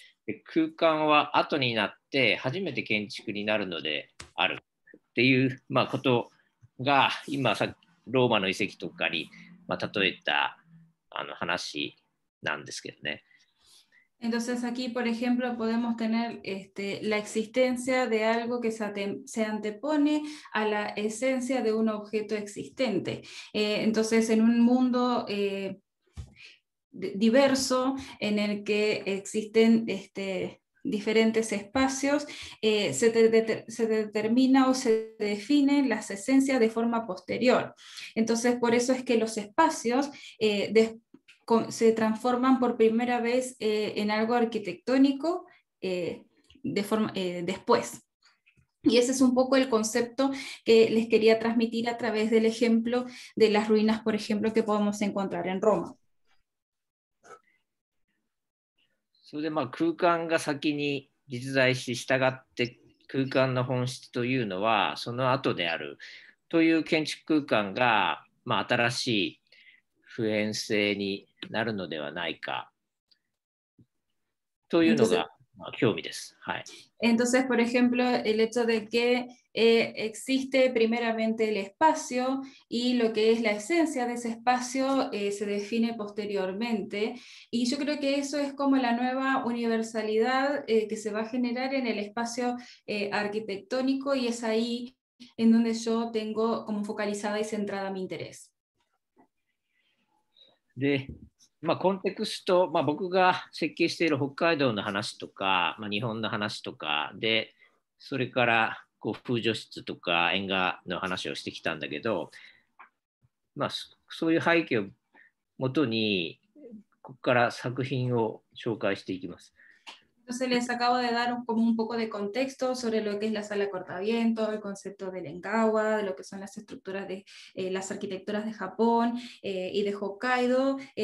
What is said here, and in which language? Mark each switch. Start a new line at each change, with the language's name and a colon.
Japanese: で、空間は後になって初めて建築になるのであるっていう、まあ、ことが今さっきローマの遺跡とかに、まあ、例えた話なんですけどね。
Spanish: Entonces aquí, por ejemplo, podemos tener la existencia de algo que se antepone a la esencia de un objeto existente. Entonces, en un mundo diverso en el que existen diferentes espacios, se determina o se define las esencias de forma posterior. Entonces, por eso es que los espacios se transforman por primera vez en algo arquitectónico después. Y ese es un poco el concepto que les quería transmitir a través del ejemplo de las ruinas, por ejemplo, que podemos encontrar en Roma.
Japanese: それでまあ空間が先に実在し、従って空間の本質というのはその後であるという建築空間がまあ新しい普遍性になるのではないかというのが興味です。はい。
Spanish: Entonces, por ejemplo, el hecho de que existe primeramente el espacio y lo que es la esencia de ese espacio se define posteriormente. Y yo creo que eso es como la nueva universalidad que se va a generar en el espacio arquitectónico y es ahí en donde yo tengo como focalizada y centrada mi interés. De...
Japanese: まあ、コンテクスト、まあ、僕が設計している北海道の話とか、まあ、日本の話とかでそれからこう風除室とか縁側の話をしてきたんだけど、まあ、そういう背景をもとにここから作品を紹介していきます。
Spanish: Entonces les acabo de dar como un poco de contexto sobre lo que es la sala cortaviento, el concepto del Engawa, de lo que son las estructuras de las arquitecturas de Japón y de Hokkaido.